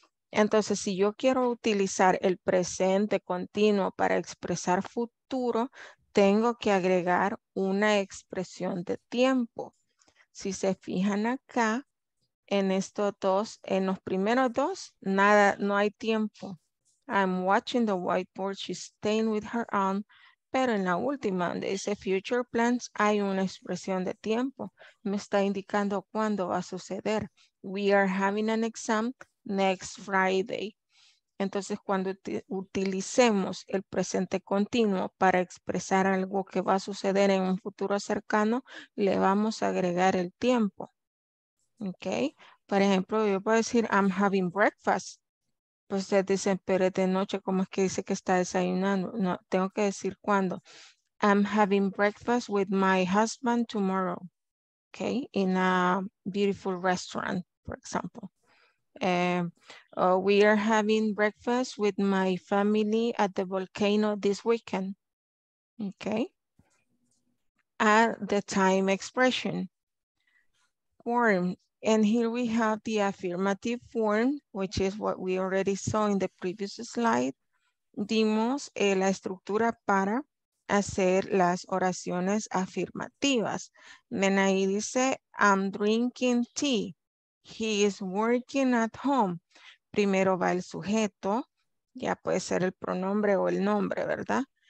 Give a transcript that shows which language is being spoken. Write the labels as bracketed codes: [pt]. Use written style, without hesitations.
[es] Entonces, si yo quiero utilizar el presente continuo para expresar futuro, tengo que agregar una expresión de tiempo. Si se fijan acá, en estos dos, en los primeros dos, nada, no hay tiempo. [en] I'm watching the whiteboard, she's staying with her aunt. [es] Pero en la última, donde dice future plans, hay una expresión de tiempo. Me está indicando cuándo va a suceder. [en] We are having an exam next Friday. [es] Entonces, cuando utilicemos el presente continuo para expresar algo que va a suceder en un futuro cercano, le vamos a agregar el tiempo. Okay. Por ejemplo, yo puedo decir, [en] I'm having breakfast. [es] Pues ustedes dicen, pero es de noche, ¿cómo es que dice que está desayunando? No, tengo que decir cuándo. [en] I'm having breakfast with my husband tomorrow. Okay, in a beautiful restaurant, for example. We are having breakfast with my family at the volcano this weekend. Okay. At the time expression. Form. And here we have the affirmative form, which is what we already saw in the previous slide. [es] Dimos la estructura para hacer las oraciones afirmativas. [en] Then [es] ahí dice, [en] I'm drinking tea. He is working at home. [es] Primero va el sujeto. Ya puede ser el pronombre o el nombre, ¿verdad?